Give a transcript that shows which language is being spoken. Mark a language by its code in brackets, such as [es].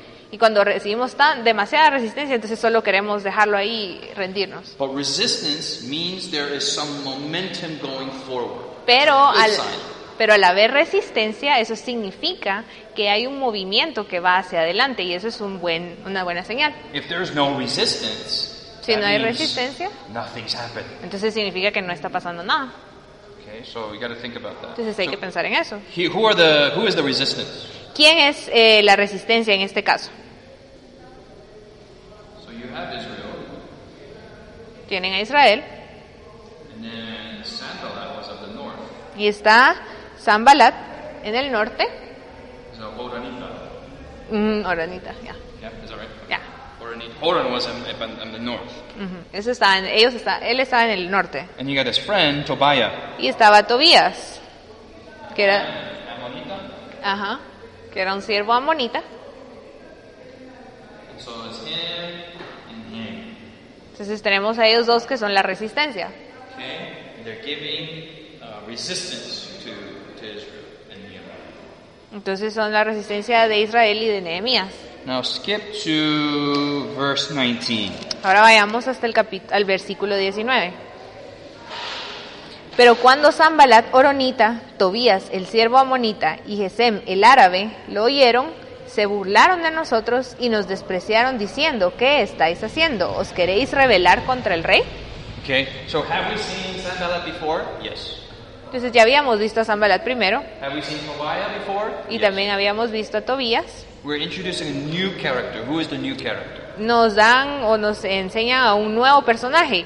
[es] Y cuando recibimos demasiada resistencia, entonces solo queremos dejarlo ahí y rendirnos. [en] But resistance means there is some momentum going forward. [es] Pero al haber resistencia, eso significa que hay un movimiento que va hacia adelante, y eso es una buena señal. [en] If there is no resistance, [es] si no hay resistencia, [en] nothing's happened. [es] Entonces significa que no está pasando nada. [en] Okay, so we gotta think about that. [es] Entonces hay que pensar en eso. [en] Who is the resistance? [es] ¿Quién es la resistencia en este caso? [en] So you have Israel. [es] Tienen a Israel. [en] And then Sanballat was at the north. [es] Y está Sanballat en el norte. [en] Is that Oranita? Oranita, yeah. Yeah, is that right? Yeah. Oran was in the north. [es] Uh-huh. Él estaba en el norte. [en] And you got his friend Tobiah. [es] Y estaba Tobías, que era Amonita. Ajá, que era un siervo amonita. [en] And so it's him and him. [es] Entonces tenemos a ellos dos que son la resistencia. [en] Okay, they're giving resistance to Israel and Nehemiah. [es] Entonces son la resistencia de Israel y de Nehemías. [en] Now skip to verse 19. [es] Ahora vayamos hasta al versículo 19. Pero cuando Sanballat oronita, Tobías el siervo amonita y Gesem el árabe lo oyeron, se burlaron de nosotros y nos despreciaron diciendo: ¿qué estáis haciendo? ¿Os queréis rebelar contra el rey? [en] Okay. So have we seen Sanballat before? Yes. [es] Entonces ya habíamos visto a Sanballat primero. [en] Have we seen Tobiah before? Y yes. [es] También habíamos visto a Tobías. [en] We're introducing a new character. Who is the new character? [es] Nos dan o nos enseñan a un nuevo personaje.